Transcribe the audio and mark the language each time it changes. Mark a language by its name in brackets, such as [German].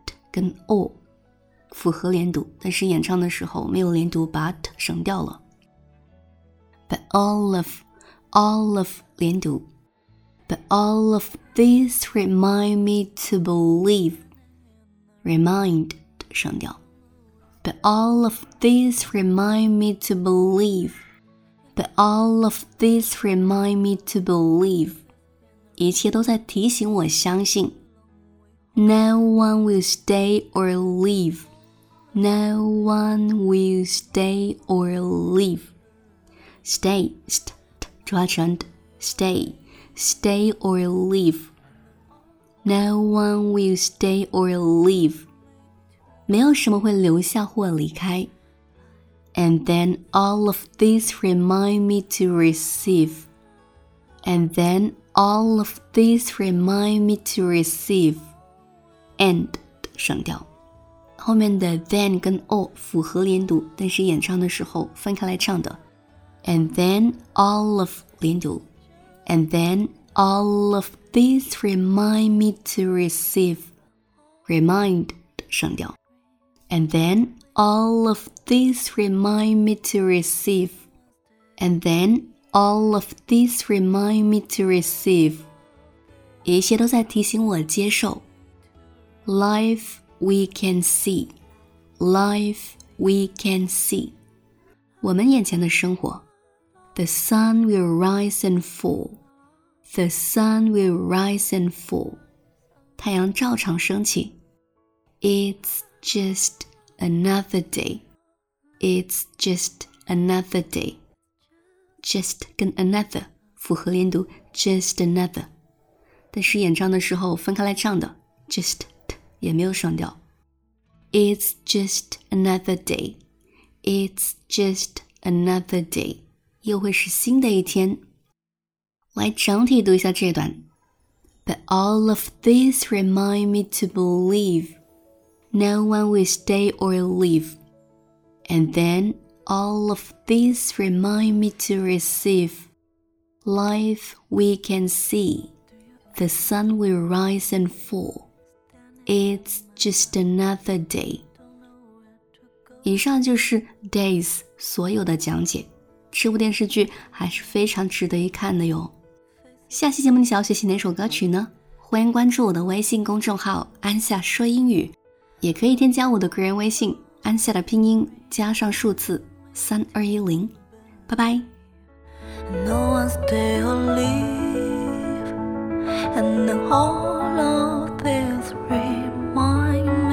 [Chinese] 跟 o 符合连读，但是演唱的时候没有连读 but 省掉了。 [English] But all of [Chinese] 连读。 [English] But all of this remind me to believe. Remind [Chinese] 省掉。 [English] But all of this remind me to believe. But all of this remind me to believe. [Chinese] 一切都在提醒我相信。 [English] No one will stay or leave. No one will stay or leave. Stay, st, [Chinese] 抓成 [English] d, stay, stay or leave. No one will stay or leave. [Chinese] 没有什么会留下或离开。 [English] And then all of this remind me to receive. And then all of this remind me to receive. [Chinese] And 省掉，后面的 then 跟 all 符合连读，但是演唱的时候分开来唱的。 [English] And then all of [Chinese] 连读 [English] ，And then all of this remind me to receive. Remind [Chinese] 省掉 [English] ，And then all of this remind me to receive. And then all of this remind me to receive. [Chinese] 一切都在提醒我接受。 [English] Life we can see, life we can see. [Chinese] 我们眼前的生活。 [English] The sun will rise and fall, the sun will rise and fall. [Chinese] 太阳照常升起。 [English] It's just another day, it's just another day. Just 跟 another [Chinese] 符合连读 [English] just another. [Chinese] 但是演唱的时候分开来唱的 just. 也没有省掉。 [English] It's just another day. It's just another day. [Chinese] 又会是新的一天。来整体读一下这段。 [English] But all of this remind me to believe. No one will stay or leave. And then all of this remind me to receive. Life we can see. The sun will rise and fall. It's just another day. [Chinese] 以上就是 Days 所有的讲解。这部电视剧还是非常值得一看的哟。下期节目你想要学习哪首歌曲呢？欢迎关注我的微信公众号安夏说英语，也可以添加我的个人微信安夏的拼音加上数字3210。拜拜。 [English] No one stay or leave, and all of this rain.